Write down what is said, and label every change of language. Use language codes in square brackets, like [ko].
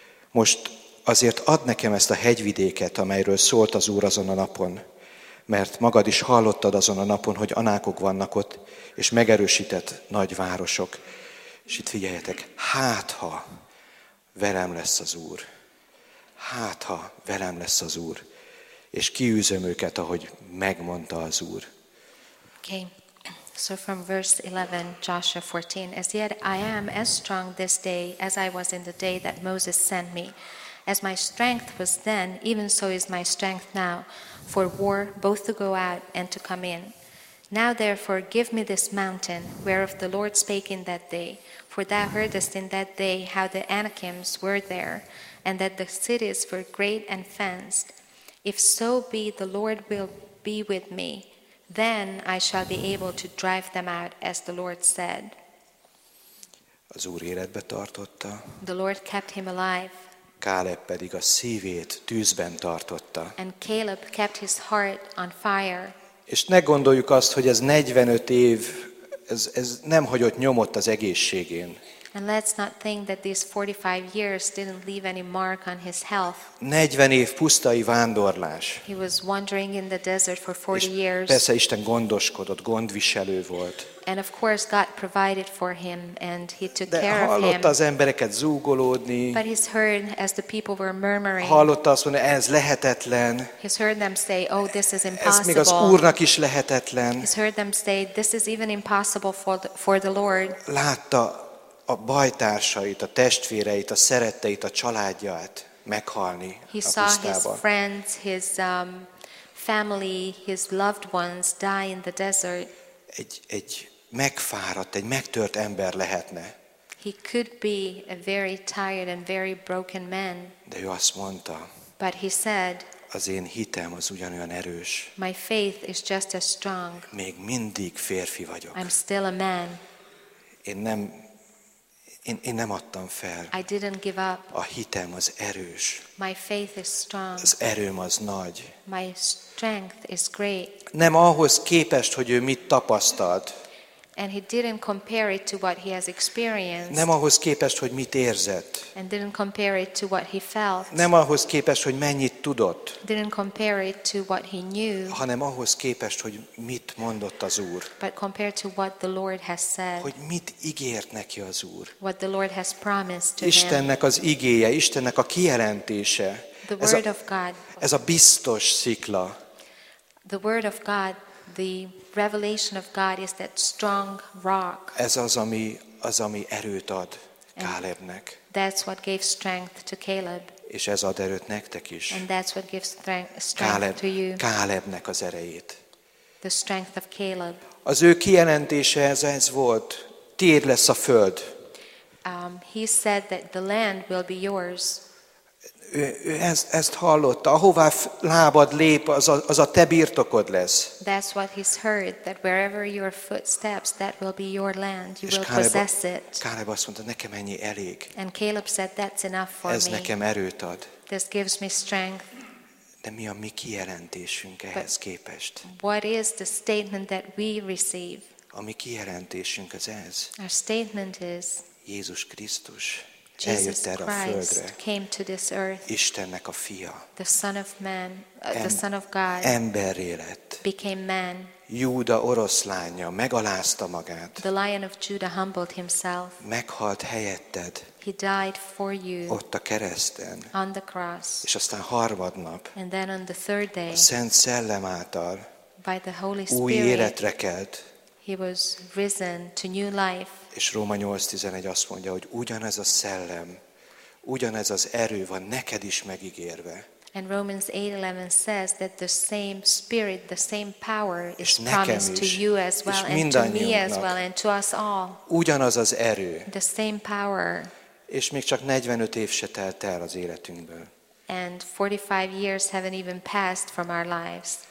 [hu] Most azért add nekem ezt a hegyvidéket, amelyről szólt az Úr azon a napon, mert magad is hallottad azon a napon, hogy Anákok vannak ott, és megerősített nagy városok. És itt figyeljetek, hátha velem lesz az Úr, hátha velem lesz az Úr, és kiűzöm őket, ahogy megmondta az Úr. [en] Okay. So from verse 11, Joshua 14, as yet I am as strong this day as I was in the day that Moses sent me. As my strength was then, even so is my strength now, for war, both to go out and to come in. Now therefore give me this mountain, whereof the Lord spake in that day, for thou heardest in that day how the Anakims were there, and that the cities were great and fenced. If so be the Lord will be with me, then I shall be able to drive them out, as the Lord said. [hu] Az Úr életbe tartotta. [en] The Lord kept him alive. [hu] Káleb pedig a szívét tűzben tartotta. [en] And Caleb kept his heart on fire. [hu] És ne gondoljuk azt, hogy ez 45 év, ez nem hagyott nyomot az egészségén. [en] And let's not think that these 45 years didn't leave any mark on his health. [hu] 40 év pusztai vándorlás. [en] He was wandering in the desert for 40 years. [hu] És persze Isten gondoskodott, gondviselő volt. [en] And of course God provided for him and he took care of him. [hu] De hallotta az embereket zúgolódni. [en] But he's heard as the people were murmuring. [hu] Hallotta azt mondani, ez lehetetlen. [en] He's heard them say, oh, this is impossible. [hu] Ez még az Úrnak is lehetetlen. [en] He's heard them say, this is even impossible for the Lord. [hu] Látta a bajtársait, a testvéreit, a szeretteit, a családját meghalni [en] he [hu] a pusztában. [en] He saw his friends, his family, his loved ones die in the desert. [hu] Egy megfáradt, egy megtört ember lehetne. [en] He could be a very tired and very broken man. [hu] De ő azt mondta. [en] But he said, [hu] az én hitem az ugyanolyan erős. [en] My faith is just as strong. [hu] Még mindig férfi vagyok. [en] I'm still a man. [hu] Én nem adtam fel. [en] I didn't give up. [hu] A hitem az erős. [en] My faith is strong. [hu] Az erőm az nagy. [en] My strength is great. [hu] Nem ahhoz képest, hogy ő mit tapasztalt. [en] And he didn't compare it to what he has experienced. [hu] Nem ahhoz képest, hogy mit érzett. [en] And didn't compare it to what he felt. [hu] Nem ahhoz képest, hogy mennyit tudott. [en] Didn't compare it to what he knew. [hu] Hanem ahhoz képest, hogy mit mondott az Úr. [en] But compared to what the Lord has said. [hu] Hogy mit ígért neki az Úr. [en] What the Lord has promised to [hu] Istennek [en] him. [hu] Istennek az igéje, Istennek a kijelentése. [en] The word of God. [hu] Ez a biztos szikla. [en] The word of God. The revelation of God is that strong rock. [hu] Ez az ami erőt ad Kálebnek. [en] That's what gave strength to Caleb. [hu] És ez ad erőt nektek is. [en] And that's what gives strength to you. [hu] Kálebnek az erejét. [en] The strength of Caleb. [hu] Az ő kijelentése ez volt. Tiéd lesz a föld. [en] He said that the land will be yours. [hu] Ő ezt hallotta, ahová lábad lép, az a te birtokod lesz. [en] That's what he's heard, that wherever your footsteps, that will be your land, you will possess it. [hu] Caleb azt mondta, nekem ennyi elég. [en] And Caleb said, that's enough for me. [hu] Ez nekem erőt ad. [en] This gives me strength. [hu] De mi a mi kijelentésünk ehhez képest? [en] What is the statement that we receive? [hu] A mi kijelentésünk az ez. [en] Our statement is, [hu] Jézus Krisztus. [en] Jesus Christ [hu] földre, [en] came to this earth. [hu] Istennek a fia. [en] The Son of Man, the Son of God. [hu] Emberré lett. [en] Became man. [hu] Júda oroszlánya megalázta magát. [en] The Lion of Judah humbled himself. [hu] Meghalt helyetted. [en] He died for you. [hu] Ott a kereszten. [en] On the cross. [hu] És aztán harmadnap. [en] And then on the third day. [hu] A Szent Szellem által. [en] By the Holy Spirit. [hu] Új életre kelt. [en] He was risen to new life. [hu] És Róma 8:11 azt mondja, hogy ugyanez a szellem, ugyanez az erő van neked is megígérve. [en] And Romans 8:11 says that the same spirit, the same power is promised to you as well and to me as well and to us all. [hu] Ugyanaz az erő. [en] The same power. [hu] És még csak 45 év se telt el az életünkből. [en] And 45 years haven't even passed from our lives.